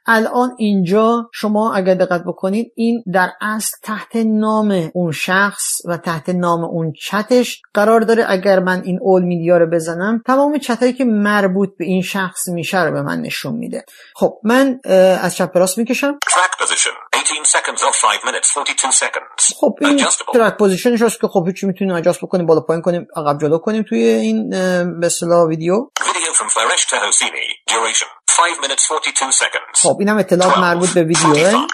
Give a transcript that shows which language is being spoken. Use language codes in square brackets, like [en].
[fa] الان اینجا شما اگر دقت بکنید این در اصل تحت نام اون شخص و تحت نام اون چت قرار داره. اگر من این اول میدیا رو بزنم تمام چتایی که مربوط به این شخص میشه رو به من نشون میده. خب من از چپ به راست میکشم. [en] Track position 18 seconds of 5 minutes 42 seconds. [fa] خب این track positionش هست که خب هیچی میتونیم adjust بکنیم، بالا پایین کنیم، عقب جلو کنیم توی این به اصطلاح ویدیو. [en] Video from Fresh to Hosini duration 5 minutes 42 seconds. [fa] خب اینم اطلاعات مربوط به ویدیوه.